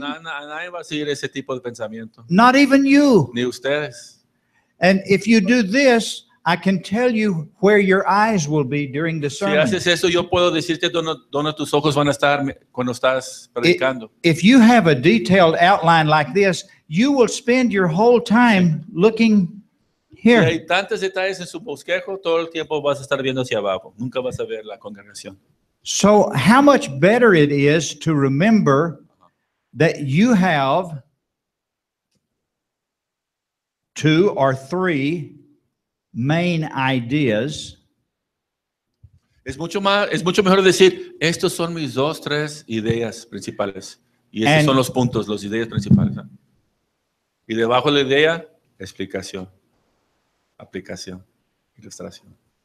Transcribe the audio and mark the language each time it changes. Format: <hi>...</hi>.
<es>Nadie va a seguir ese tipo de pensamiento.</es> <en>Not even you.</en> <es>Ni ustedes.</es> <en>And if you do this, I can tell you where your eyes will be during the sermon.</en> <es>Si haces eso, yo puedo decirte dónde tus ojos van a estar cuando estás predicando.</es> <en>If you have a detailed outline like this, you will spend your whole time looking here.</en> <es>Si hay tantos detalles en su bosquejo, todo el tiempo vas a estar viendo hacia abajo. Nunca vas a ver la congregación.</es> <en>So how much better it is to remember that you have two or three main ideas.</en> <es>Es mucho mejor decir, estos son mis dos, tres ideas principales. Y estos son los puntos, las ideas principales. Y debajo de la idea, explicación, aplicación, ilustración.</es>